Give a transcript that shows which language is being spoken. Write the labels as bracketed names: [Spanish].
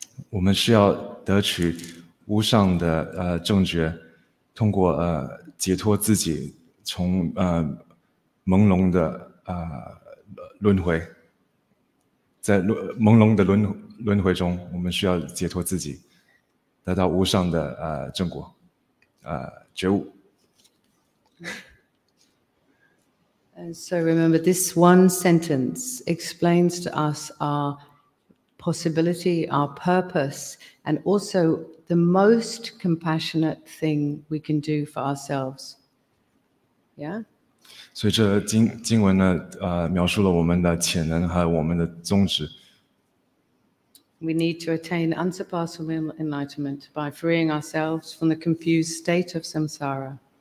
[Chinese] 我们需要得取无上的正觉，通过解脱自己从朦胧的轮回，在朦胧的轮回中，我们需要解脱自己，得到无上的正果，觉悟。 [English] So remember, this one sentence explains to us our possibility, our purpose, and also the most compassionate thing we can do for ourselves. Yeah. [Chinese] 所以这经文呢，描述了我们的潜能还有我们的宗旨。 [English] We need to attain unsurpassable enlightenment by freeing ourselves from the confused state of samsara.